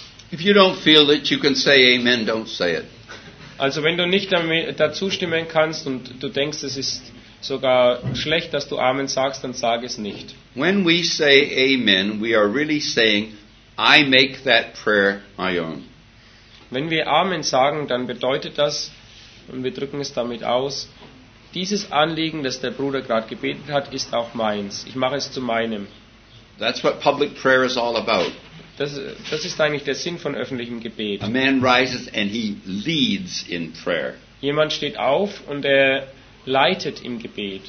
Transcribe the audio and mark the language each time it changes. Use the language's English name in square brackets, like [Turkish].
[English] If you don't feel that you can say Amen, don't say it. [German] Also wenn du nicht dazu stimmen kannst und du denkst, es ist sogar schlecht, dass du Amen sagst, dann sag es nicht. [English] When we say Amen, we are really saying, I make that prayer my own. [German] Wenn wir Amen sagen, dann bedeutet das, und wir drücken es damit aus, dieses Anliegen, das der Bruder gerade gebetet hat, ist auch meins. Ich mache es zu meinem. [English] That's what public prayer is all about. [German] Das ist eigentlich der Sinn von öffentlichem Gebet. [English] A man rises and he leads in prayer. [German] Jemand steht auf und er leitet im Gebet.